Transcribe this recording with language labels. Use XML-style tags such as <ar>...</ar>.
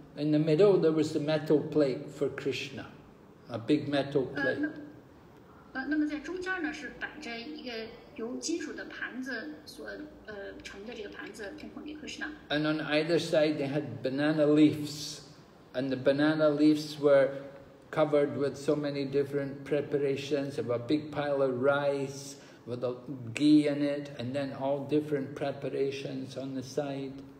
<en>in the middle there was a metal plate for Krishna, a big metal plate.</en> <zh>那么在中间呢是摆着一个。由金属的盘子所,</zh> <en>and on either side they had banana leaves, and the banana leaves were covered with so many different preparations of a big pile of rice with a ghee in it, and then all different preparations on the side.</en>